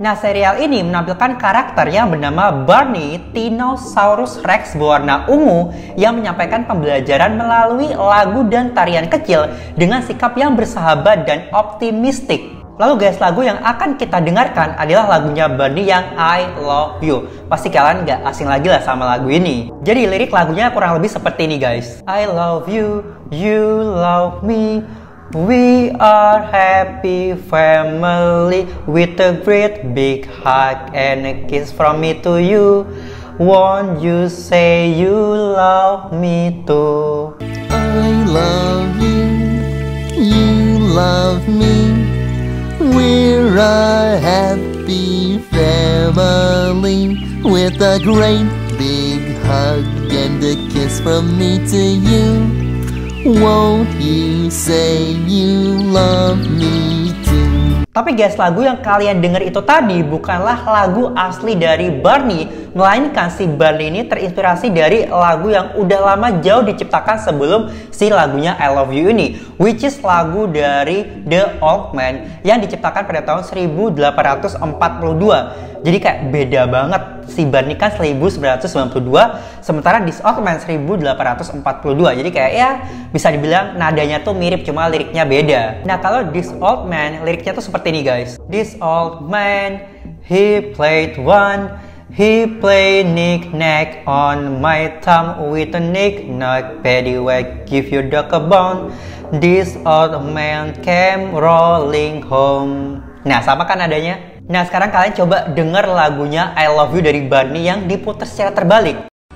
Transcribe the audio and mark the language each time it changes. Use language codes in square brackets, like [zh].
[id] Nah, serial ini menampilkan karakter yang bernama Barney Tinosaurus Rex berwarna ungu yang menyampaikan pembelajaran melalui lagu dan tarian kecil dengan sikap yang bersahabat dan optimistik. Lalu guys, lagu yang akan kita dengarkan adalah lagunya Barney yang I Love You. Pasti kalian gak asing lagi lah sama lagu ini. Jadi lirik lagunya kurang lebih seperti ini guys. [en] I love you, you love me, we are happy family, with a great big hug and a kiss from me to you, won't you say you love me too. I love you, you love me, we're a happy family, with a great big hug and a kiss from me to you, won't you say you love me too. [id] Tapi guys, lagu yang kalian dengar itu tadi bukanlah lagu asli dari Barney, melainkan si Barney ini terinspirasi dari lagu yang udah lama jauh diciptakan sebelum si lagunya I Love You ini, [en] which is [id] lagu dari The Old Man yang diciptakan pada tahun 1842. Jadi kayak beda banget, si Barney kan 1992 sementara The Old Man 1842. Jadi kayak ya bisa dibilang nadanya tuh mirip, cuma liriknya beda. Nah, kalau The Old Man liriknya tuh seperti ini guys. [en] This old man, he played one, he play knick-knack on my thumb with a knick-knack paddywhack, give your dog a bone, this old man came rolling home. [id] Nah, sama kan adanya? Nah, sekarang kalian coba denger lagunya I Love You dari Barney yang diputer secara terbalik.